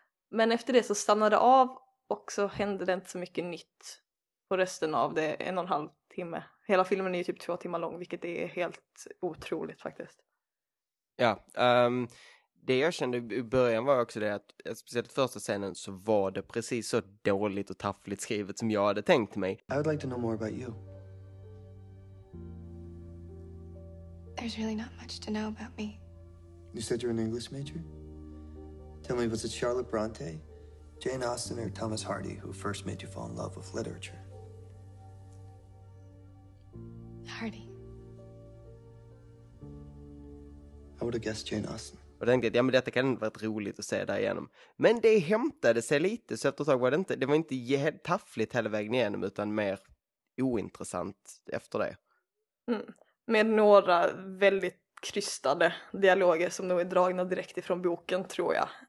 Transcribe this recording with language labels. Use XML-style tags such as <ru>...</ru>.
<sv>Men efter det så stannade det av och så hände det inte så mycket nytt på resten av det, en och en halv timme. Hela filmen är ju typ 2 timmar lång, vilket är helt otroligt faktiskt. Ja, det jag kände i början var också det att speciellt första scenen så var det precis så dåligt och taffligt skrivet som jag hade tänkt mig.</sv> <en>I would like to know more about you. There's really not much to know about me. You said you're an English major? Tell me, was it Charlotte Bronte, Jane Austen or Thomas Hardy who first made you fall in love with literature? Hardy. I would have guessed Jane Austen.</en> <sv>Och tänkte att ja, men detta kan inte vara roligt att se där igenom. Men det hämtade sig lite, så efter ett tag var det inte, det var inte taffligt hela vägen igenom, utan mer ointressant efter det. Mm. Med några väldigt krystade dialoger som nog är dragna direkt ifrån boken, tror jag.</sv>